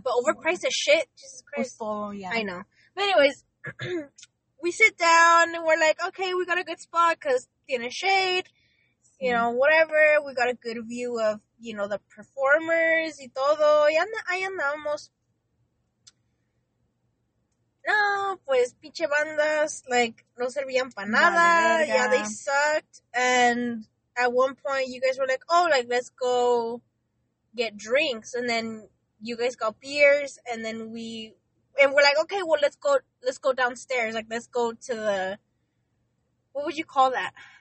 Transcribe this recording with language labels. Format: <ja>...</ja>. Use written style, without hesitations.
<en>But overpriced as shit, Jesus Christ. Oh, yeah. I know. But anyways, we sit down and we're like, okay, we got a good spot because in a shade, you know, whatever. We got a good view of, you know, the performers</en> <es>y todo. Y andamos. No, pues, pinche bandas,</es> <en>like,</en> <es>no servían para nada.</es> <en>Yeah, they sucked. And at one point, you guys were like, oh, like, let's go get drinks. And then you guys got beers. And then we're like, okay, well, let's go downstairs. Like, let's go to the, what would you call that?</en>